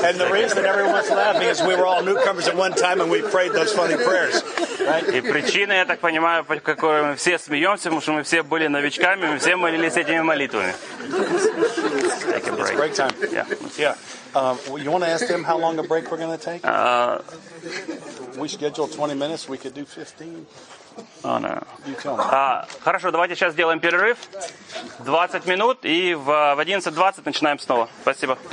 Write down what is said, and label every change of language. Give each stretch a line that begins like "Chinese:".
English: And the reason everyone's laughing is we were all newcomers at one time and we prayed those funny prayers.
Russian: И причина, я так понимаю, по которой мы все смеемся, потому что мы все были новичками, мы все молились этими молитвами.
English: Take a break. It's break time. Yeah. Yeah. You want to ask them how long a break we're going to take? We schedule 20 minutes, we could do 15. Oh, no.
Russian: Хорошо, давайте сейчас сделаем перерыв. 20 минут, и в 11:20 начинаем снова. Спасибо.